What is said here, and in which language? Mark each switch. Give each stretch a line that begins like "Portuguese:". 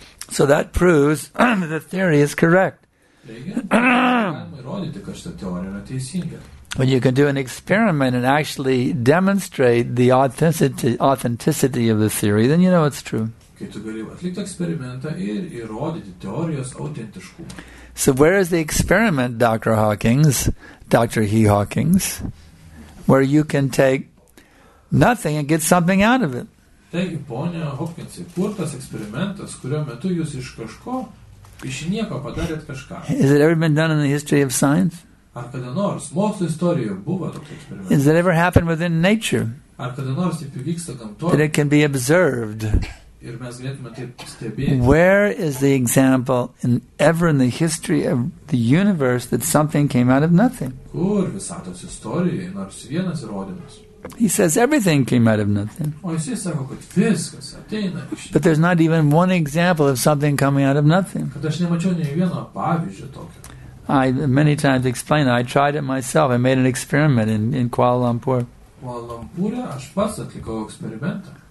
English: So that proves that the theory is correct. When you can do an experiment and actually demonstrate the authenticity of the theory, then you know it's true.
Lithuanian: Kai tu gali atlikti eksperimentą ir įrodyti teorijos autentiškumą.
English: So where is the experiment, Dr. Hawkings, Dr. He Hawkings, where you can take nothing and get something out of it?
Lithuanian: Taigi, ponia Hawkins, kur tas eksperimentas, kurio metu jūs iš kažko, iš nieko padarėt kažką?
English: Has it ever been done in the history of science?
Lithuanian: Ar kada nors mokslo istorijoje buvo toks eksperimentas?
English: Has it ever happened within nature?
Lithuanian: Ar kada nors taip įvyksta gamtoje?
English: That it can be observed.
Lithuanian: Ir mes galėtume taip stebėti.
English: Where is the example in the history of the universe that something came out of nothing?
Lithuanian: Kur visatos istorijoje nors vienas įrodymas?
English: He says everything came out of nothing.
Lithuanian: O jis sako, kad viskas ateina iš...
English: But there's not even one example of something coming out of nothing.
Lithuanian: Kad aš nemačiau nei vieno pavyzdžio tokio.
English: I many times explained, I tried it myself. I made an experiment in Kuala Lumpur.
Lithuanian: Kuala Lumpur'e aš pats atlikau eksperimentą.